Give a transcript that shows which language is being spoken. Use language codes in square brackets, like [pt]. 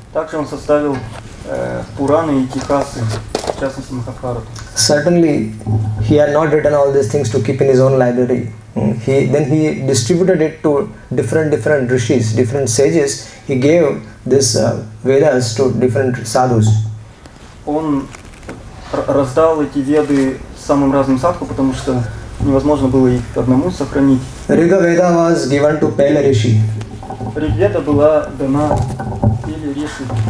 [ru] Также он составил Пураны и Итихасы, в частности Махабхарату. [en] Certainly, he had not written all these things to keep in his own library. Then he distributed it to different rishis, different sages. He gave this Vedas to different sadhus. [ru] Он раздал эти Веды самым разным садху, потому что невозможно было их одному сохранить. [en] Рига Веда was given to Пеле Риши. [ru] Ригведа была дана Пеле Риши.